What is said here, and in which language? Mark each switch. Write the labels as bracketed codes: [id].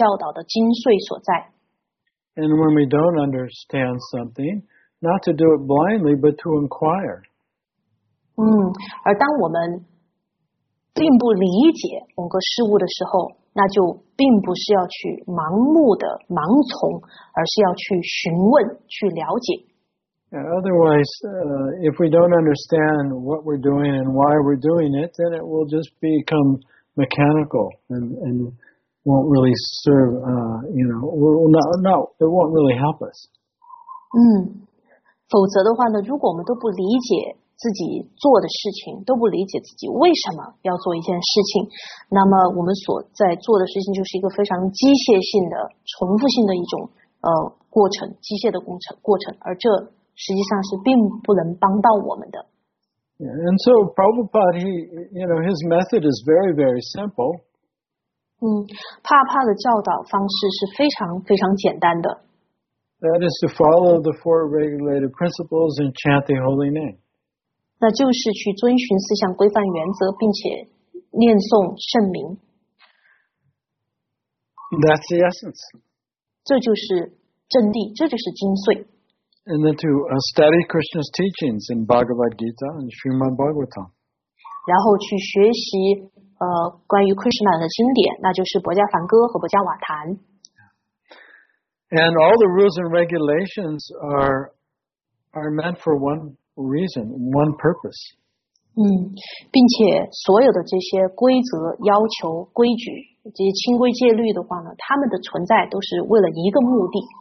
[zh] 然后特别是要去理解到这门教导的精髓所在。And [en] when we don't understand something, not to do it blindly, but to inquire. [zh] 而当我们并不理解某个事物的时候, 那就并不是要去盲目的盲从, 而是要去询问, 去了解。 [en] Otherwise, if we don't understand what we're doing and why we're doing it, then it will just become mechanical and won't really serve, it won't really help us. [zh] 否则的话呢, 如果我们都不理解自己做的事情, 都不理解自己为什么要做一件事情, 那么我们所在做的事情就是一个非常机械性的, 重复性的一种, 过程, 机械的工程, 过程, 而这实际上是并不能帮到我们的。 [en] Yeah, and so Prabhupada, his method is very, very simple. [zh] 帕帕的教导方式是非常非常简单的。 [en] That is to follow the four regulated principles and chant the holy name. [zh] 那就是去遵循思想规范原则并且念诵圣名。 [en] That's the essence. [zh] 这就是真谛，这就是精髓。 [en] And then to study Krishna's teachings in Bhagavad Gita and Srimad Bhagavatam. [zh] 然后去学习关于 Krishna的经典，那就是《博伽梵歌》和《博伽瓦坛》。 [en] And all the rules and regulations are meant for one reason, one purpose. [zh] 并且所有的这些规则、要求、规矩，这些清规戒律的话呢，他们的存在都是为了一个目的。